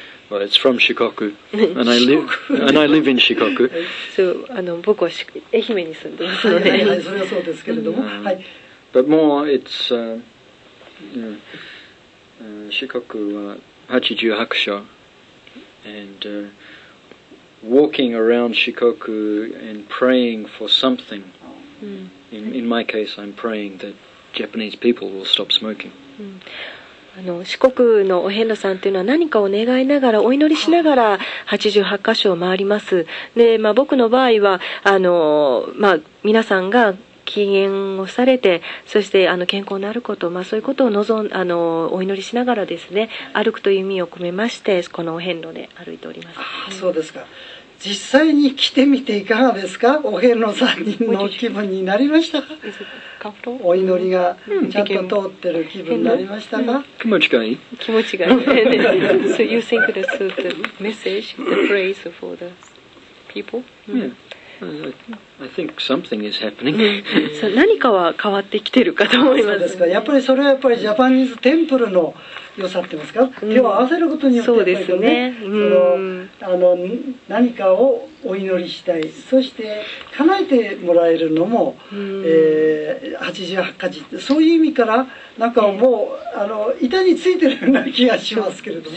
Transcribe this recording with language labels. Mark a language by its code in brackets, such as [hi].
[en] Well, it's from Shikoku, and I live in Shikoku. So, [ja] 僕は愛媛に住んでますので。はい、それはそうですけれども。 [en] But more, it's Shikoku [ja] は八十八ヶ所, [en] and walking around Shikoku and praying for something. In my case, I'm praying that Japanese people will stop smoking. [ja] 四国のお遍路さんというのは何かを願いながらお祈りしながら88箇所を回ります。で、まあ、僕の場合は皆さんが禁煙をされて、そして健康になること、まあ、そういうことを お祈りしながらですね、歩くという意味を込めましてこのお遍路で歩いております。あ、そうですか。実際に来てみていかがですか？お遍路さんの気分になりましたか？お祈りがちゃんと通ってる気分になりましたか？気持ちがいい。気持ちがいい。 [en] So you think that's the message, the praise for the people? Yeah. I think something is happening. So [ja] 何かは変わってきてるかと思います。そうですか。やっぱりそれはやっぱりジャパニーズテンプルの良さってますか、うん、手を合わせることによってそうですね、うん、あの何かをお祈りしたい、そして叶えてもらえるのも、うん、88カ字そういう意味からなんかもう、あの板についてるような気がしますけれども